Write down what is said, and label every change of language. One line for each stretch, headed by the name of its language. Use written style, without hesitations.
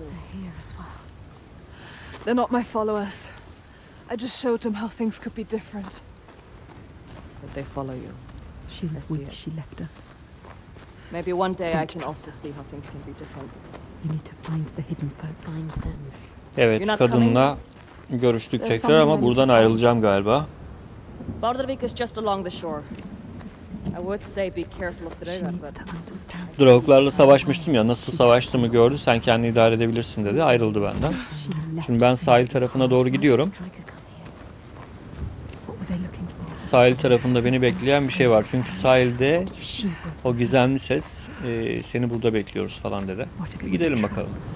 English: They're here as well. They're not my followers. I just showed them how things could be different. But they follow you. She was weak. She left us. Maybe one day I can also see how things can be different. You need to find the hidden folk. Find them.
Turkish: Evet, kadınla görüştük tekrar ama buradan ayrılacağım galiba.
English: Bardarvik is just along the shore. I would say be careful of the river, but
Turkish: Drog'larla savaşmıştım ya, nasıl savaştığımı gördü, sen kendini idare edebilirsin dedi, ayrıldı benden. Şimdi ben sahil tarafına doğru gidiyorum. Sahil tarafında beni bekleyen bir şey var, çünkü sahilde o gizemli ses seni burada bekliyoruz falan dedi. Bir gidelim bakalım.